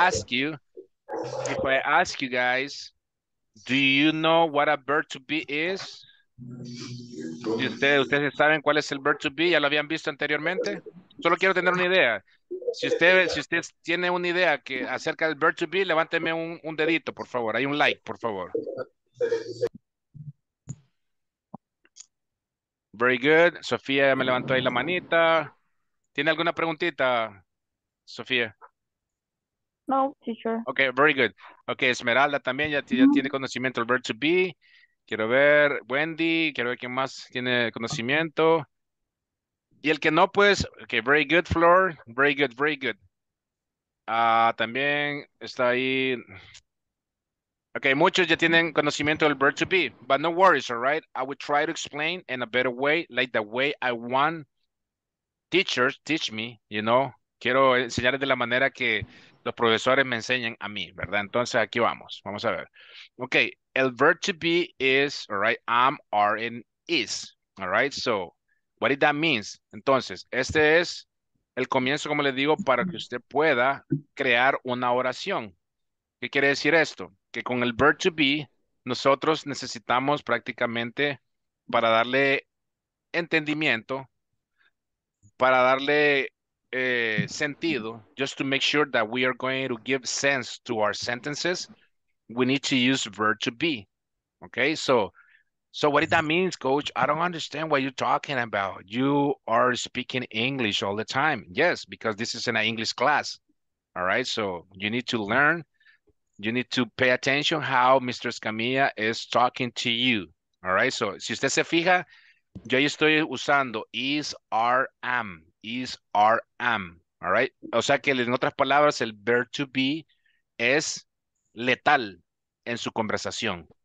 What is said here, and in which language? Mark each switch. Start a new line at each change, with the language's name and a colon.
English: If I ask you guys, do you know what a verb to be is?
Spanish: ¿Ustedes saben cuál es el verb to be? ¿Ya lo habían visto anteriormente? Solo quiero tener una idea. Si usted tiene una idea que acerca del verb to be, levánteme un dedito, por favor. Hay un like, por favor.
English: Very good.
Spanish: Sofía me levantó ahí la manita. ¿Tiene alguna preguntita, Sofía? No, teacher.
English: Okay, very good.
Spanish: Okay, Esmeralda también ya tiene conocimiento del verb to be. Quiero ver, Wendy, quiero ver quién más tiene conocimiento. Y el que no, pues,
English: okay, very good, Flor. Very good, very good.
Spanish: También está ahí. Okay, muchos ya tienen conocimiento del verb to be.
English: But no worries, all right? I will try to explain in a better way, like the way I want teachers teach me, you know.
Spanish: Quiero enseñarles de la manera que los profesores me enseñen a mí, ¿verdad? Entonces, aquí vamos. Vamos a ver. Okay, el verb to be is, all right, am, are, and is.
English: All right, so what does that mean?
Spanish: Entonces, este es el comienzo, como les digo, para que usted pueda crear una oración. ¿Qué quiere decir esto? Que con el verb to be, nosotros necesitamos prácticamente para darle entendimiento, para darle sentido,
English: just to make sure that we are going to give sense to our sentences, we need to use verb to be, okay? So what does that mean, coach? I don't understand what you're talking about. You are speaking English all the time. Yes, because this is an English class, all right? So you need to learn, you need to pay attention how Mr. Escamilla is talking to you, all right?
Spanish: So si usted se fija, yo ahí estoy usando is, are, am. Is, are, am. All right? O sea que en otras palabras, el verb to be es letal en su conversación.